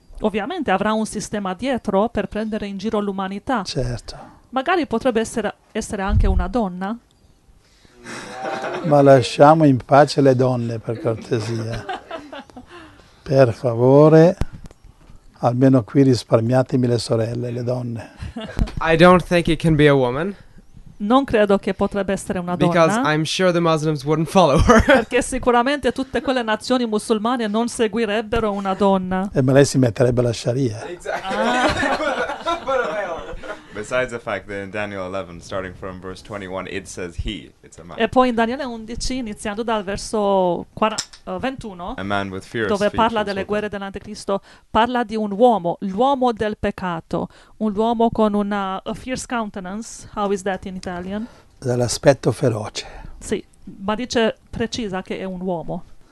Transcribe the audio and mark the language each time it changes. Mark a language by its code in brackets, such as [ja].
[it] Ovviamente avrà un sistema dietro per prendere in giro l'umanità. Certo. Magari potrebbe essere anche una donna. Ma lasciamo in pace le donne, per cortesia. Per favore, almeno qui risparmiatemi le sorelle, le donne. [en] I don't think it can be a woman. [it] Non credo che potrebbe essere una donna. [en] Because I'm sure the Muslims wouldn't follow her. [it] Perché sicuramente tutte quelle nazioni musulmane non seguirebbero una donna. E ma lei si metterebbe la Sharia. Esatto. Ah. [en] Besides the fact that in Daniel 11, starting from verse 21, it says he, it's a man. [it] E poi in Daniele 11, iniziando dal verso 21, [en] a man with fierce [it] dove parla delle guerre dell'Anticristo, parla di un uomo, l'uomo del peccato, un uomo con una [en] fierce countenance. How is that in Italian? [it] Dall'aspetto feroce. Sì, ma dice, precisa che è un uomo.